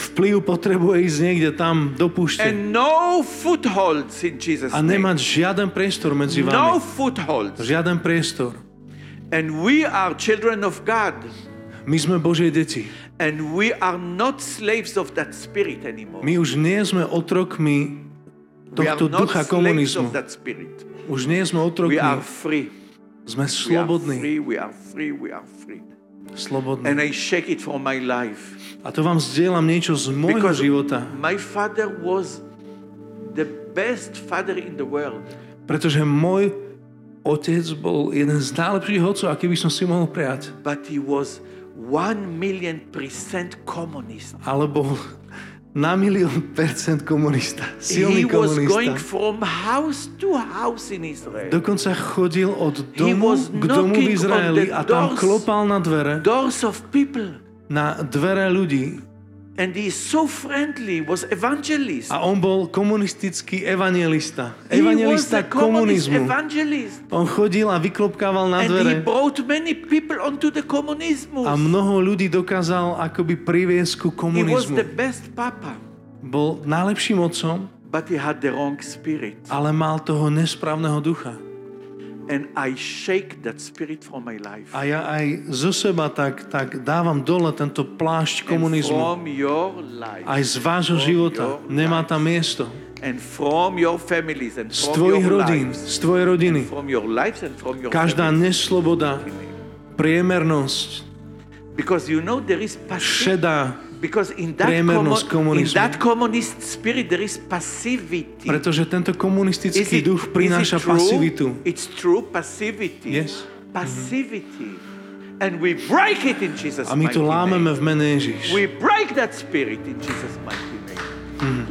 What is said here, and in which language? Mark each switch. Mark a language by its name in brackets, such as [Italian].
[Slovak] Vplyv potrebuje ísť niekde tam do púšte. [English] And no footholds in Jesus' name. [Slovak] A nemať žiaden priestor medzi vami. [English] No footholds. [Slovak] Žiaden priestor. [English] And we are children of God. [Slovak] My sme Božie deti. [English] And we are not slaves of that spirit anymore. [Slovak] My už nie sme otrokmi tohto ducha komunizmu. [English] We are not slaves of that spirit. [Slovak] Už nie sme otrokmi. [English] We are free. [Slovak] Sme slobodní. [English] We are free. [Slovak] Slobodní. [English] And I shake it for my life. [Slovak] A to vám zdieľam niečo z môjho [English] Because [Slovak] života. [English] My father was the best father in the world. [Slovak] Pretože môj otec bol jeden z najlepších otcov, aký by som si mohol prijať. [English] But he was 1,000,000% komunist. [Slovak] Ale bol na 1,000,000% komunista. Silný [English] he [Slovak] komunista. [English] Was going from house to house in Israel. [Slovak] Dokonca chodil od domu k domu v Izraeli a tam klopal na dvere. [English] Doors of people. [Slovak] Na dvere ľudí. [English] And he so friendly was evangelist. [Slovak] A on bol komunistický evangelista. Evangelista komunizmu. On chodil a vyklopkával na dvere. [English] And he brought many people onto the communism. [Slovak] A mnoho ľudí dokázal akoby priviesť ku komunizmu. [English] He was the best papa. [Slovak] Bol najlepším otcom. [English] But he had the wrong spirit. [Slovak] Ale mal toho nesprávneho ducha. [English] And I shake that spirit from my life. [Slovak] A ja aj zo seba tak dávam dole tento plášť komunizmu. [English] And from your life. [Slovak] Aj z vášho života nemá tam miesto. [English] And from your families and from your [Slovak] life. Z tvojich rodín, z tvojej rodiny. [English] And from your lives and from your [Slovak] každá [English] families. [Slovak] Nesloboda, priemernosť. [English] Because you know there is passivity. [Slovak] Šedá priemernosť komunizmu. [English] In that communist spirit there is passivity. [Slovak] Pretože tento komunistický duch prináša pasivitu. [English] It's true passivity. Yes. Passivity. Mm-hmm. And we break it in Jesus' mighty name. [Slovak] A my to lámeme v mene Ježiš. [English] We break that spirit in Jesus' mighty name.